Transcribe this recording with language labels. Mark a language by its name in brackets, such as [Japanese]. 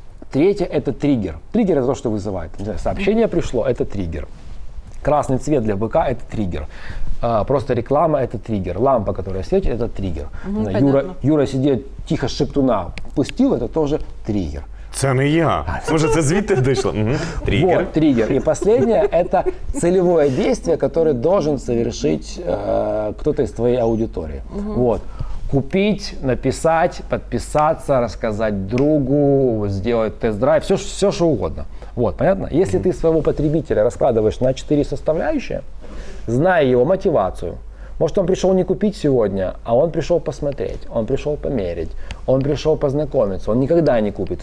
[Russian] Третье – это триггер. Триггер – это то, что вызывает. Не знаю, сообщение пришло – это триггер. Красный цвет для быка – это триггер. Просто реклама – это триггер. Лампа, которая светит – это триггер. Юра сидит тихо, шептуна пустил – это тоже триггер. [Ukrainian] Це не я. Може, це звідти дійшло? [Russian] Триггер. Вот, триггер. [Ukrainian] І последнє – це цільове дійство, яке [Russian] должен совершить [Ukrainian] хтось з твоєї аудиторії. [Russian] Угу. Вот. Купить, написать, подписаться, рассказать другу, сделать тест-драйв, все что угодно. Вот, понятно? Если ты своего потребителя раскладываешь на 4 составляющие, зная его мотивацию, Может, он пришел не купить сегодня, а он пришел посмотреть, он пришел померить, он пришел познакомиться, он никогда не купит.